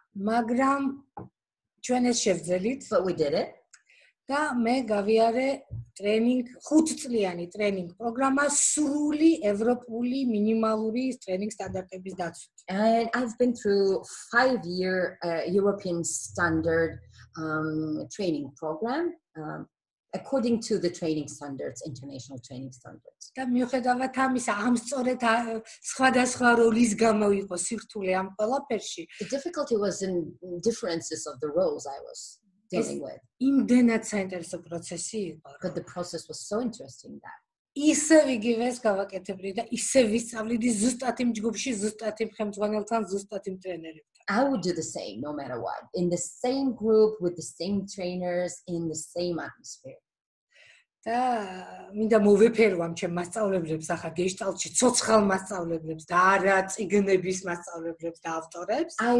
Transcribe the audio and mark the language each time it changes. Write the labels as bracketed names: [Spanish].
[Georgian] მაგრამ ჩვენ ეს შევძელით. [English] But we did it. [Georgian] და მე გავიარე ტრენინგ 5 წლიანი ტრენინგ პროგრამა სრული ევროპული მინიმალური ტრენინგ სტანდარტების დაცვით. [English] And I've been through 5-year European standard training program according to the training standards, international training standards. [Georgian] და მიუხედავად ამისა, ამ სწორედ სხვადასხვა როლის გამო იყო სირთულე ამ ყველაფერში. [English] The difficulty was in differences of the roles I was dealing with. [Georgian] იმდენად საინტერესო პროცესი იყო. [English] But the process was so interesting that. [Georgian] ისევ იგივეს გავაკეთებდი და ისევ ვისწავლიდი ზუსტად იმ ჯგუფში, ზუსტად იმ ხელმძღვანელთან, ზუსტად იმ ტრენერებთან. [English] I would do the same no matter what in the same group with the same trainers in the same atmosphere. [Georgian] Да, მინდა მოვეფერვა ჩემ მასწავლებლებს ახა გესტალტში, ცოცხალ მასწავლებლებს და არა წიგნების მასწავლებლებს და ავტორებს.